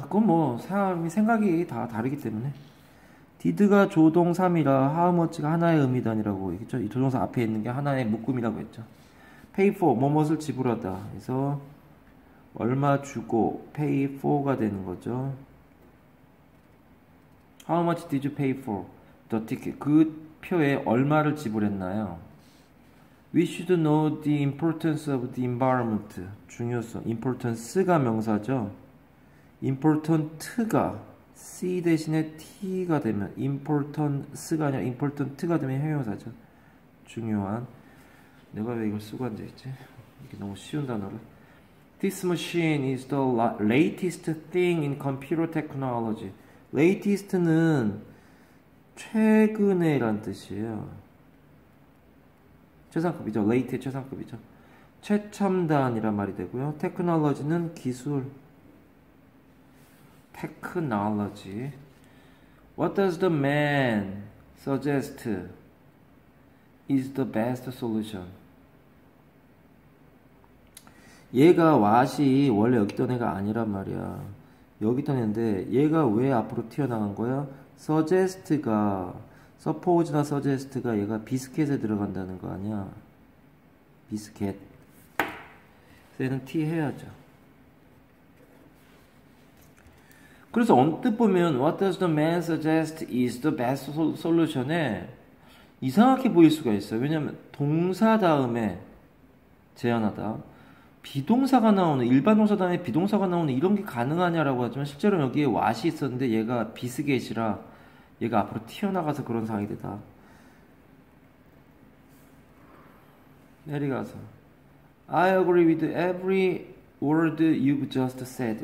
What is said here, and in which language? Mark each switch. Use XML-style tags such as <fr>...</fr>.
<ko>그건 뭐 사람이 생각이 다 다르기 때문에. 디드가 조동사미라 하우머치가 하나의 음이다니라고 했죠. 이 조동사 앞에 있는 게 하나의 묶음이라고 했죠.</ko> <en>pay for</en> <ko>뭐뭇을 지불하다. 그래서 얼마 주고</ko> <en>pay for</en> <ko>가 되는 거죠.</ko> <en>How much did you pay for the ticket? 그</en> <ko>표에 얼마를 지불했나요?</ko> <en>We should know the importance of the environment.</en> <ko>중요성, importance가 명사죠. important가 C 대신에 T가 되면 importance가 아니라 important가 되면 형용사죠. 중요한. 내가 왜 이걸 쓰고 앉아있지? 이게 너무 쉬운 단어를.</ko> <en>This machine is the latest thing in computer technology.</en> <ko>Latest는 최근에란 뜻이에요. 최상급이죠. Late의 최상급이죠. 최첨단이란 말이 되고요. Technology는 기술.</ko> <en>Technology. What does the man suggest is the best solution?</en> <ko>얘가 what이 원래 여기 있던 애가 아니란 말이야. 여기 있던 애인데 얘가 왜 앞으로 튀어나간 거야? Suggest가 Suppose나 Suggest가 얘가 비스켓에 들어간다는 거 아니야? 비스켓. 그래서 얘는 T 해야죠. 그래서 언뜻 보면</ko> <en>What does the man suggest is the best solution에 이상하게 보일 수가 있어요.</en> <ko>왜냐면 동사 다음에 제안하다 비동사가 나오는, 일반 동사 다음에 비동사가 나오는 이런 게 가능하냐라고 하지만 실제로 여기에 what이 있었는데 얘가 비스켓이라 얘가 앞으로 튀어나가서 그런 상황이 되다. 내려가서</ko> <en>I agree with every word you've just said.</en>